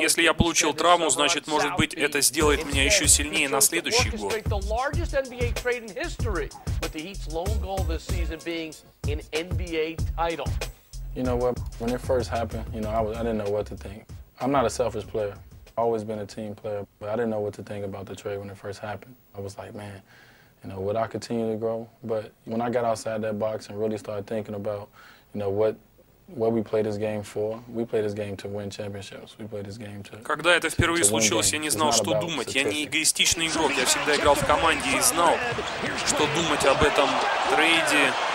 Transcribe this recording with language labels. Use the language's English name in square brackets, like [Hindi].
[Russian] Если я получил травму, значит, может быть, это сделает меня еще сильнее на следующий год. [English] Largest NBA trade in history, with the Heat's lone goal this season being an NBA title. You know what? When it first happened, you know, I didn't know what to think. I'm not a selfish player. I've always been a team player, but I didn't know what to think about the trade when it first happened. I was like, man, you know, would I continue to grow? But when I got outside that box and really started thinking about, you know, what we play this game for, we play this game to win championships, we play this game to [Russian] Когда это впервые случилось, я не знал, что думать. Я не эгоистичный игрок, я всегда играл в команде и знал, что думать об этом трейде.